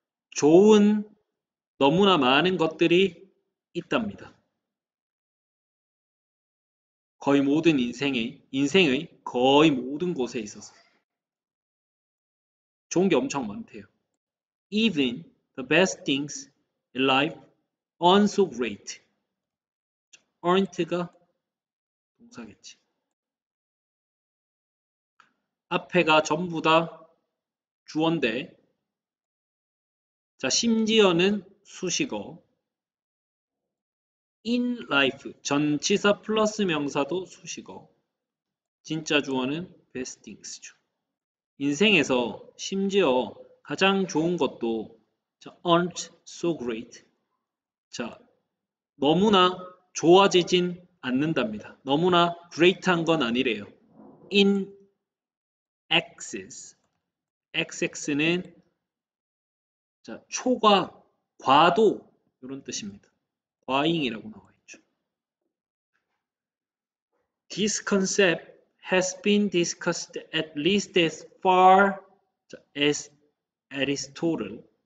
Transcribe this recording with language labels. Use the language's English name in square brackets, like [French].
[Korean] 좋은 너무나 많은 것들이 있답니다. 거의 모든 인생의 거의 모든 곳에 있어서 좋은 게 엄청 많대요. [English] Even the best things in life aren't so great. [Korean] Aren't가 동사겠지. 앞에가 전부 다 주어인데, 자, 심지어는 수식어. [English] In life, [Korean] 전치사 플러스 명사도 수식어. 진짜 주어는 best things죠. 인생에서 심지어 가장 좋은 것도 자, [English] aren't so great. [Korean] 자, 너무나 좋아지진 않는답니다. 너무나 great한 건 아니래요. [English] In excess. [Korean] XX는 자, 초과, 과도, 이런 뜻입니다. 과잉이라고 나와 있죠. [English] This concept has been discussed at least as far 자, as Aristotle.